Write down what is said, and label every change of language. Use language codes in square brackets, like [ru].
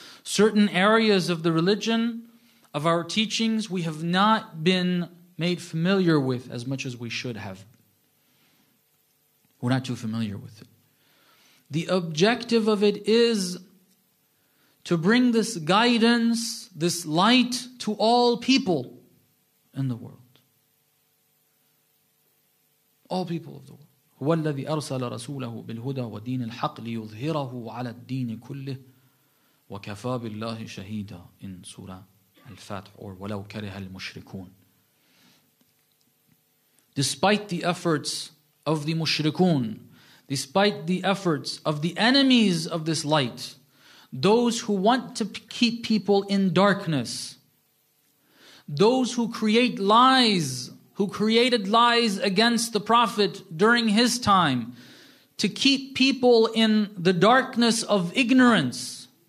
[en] Certain areas of the religion, of our teachings, we have not been made familiar with as much as we should have. We're not too familiar with it. The objective of it is to bring this guidance, this light to all people in the world. All people of the world. [ar] هُوَ الَّذِي أَرْسَلَ رَسُولَهُ بِالْهُدَى وَدِينِ الْحَقِّ لِيُظْهِرَهُ عَلَى الدِّينِ كُلِّهِ وَكَفَى بِاللَّهِ شَهِيدًا [en] in Surah Al-Fatih or [ar] وَلَوْ كَرِهَ الْمُشْرِكُونَ. [en] Despite the efforts of the mushrikun, despite the efforts of the enemies of this light, those who want to keep people in darkness, those who create lies, who created lies against the Prophet during his time, to keep people in the darkness of ignorance,